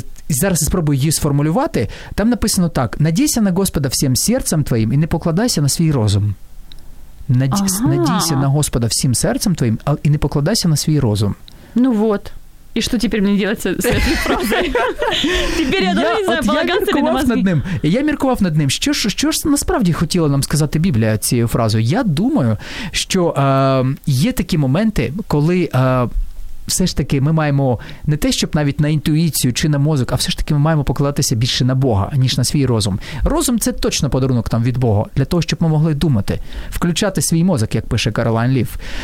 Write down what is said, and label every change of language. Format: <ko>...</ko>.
<uk>Зараз я спробую її сформулювати. Там написано так: «Надійся на Господа всім серцем твоїм і не покладайся на свій розум». Надійся на Господа всім серцем твоїм, а і не покладайся на свій розум.</uk> <ru>Ну вот. И что теперь мне делать с этой фразой? Теперь я даже не знаю, полагаться ли на мозги.</ru> <uk>Я меркував над ним. Що ж насправді хотіла нам сказати Біблія цією фразою? Я думаю, що є такі моменти, коли все ж таки ми маємо не те, щоб навіть на інтуїцію чи на мозок, а все ж таки ми маємо покладатися більше на Бога, ніж на свій розум. Розум – це точно подарунок там від Бога, для того, щоб ми могли думати, включати свій мозок, як пише Каролайн Ліф.</uk>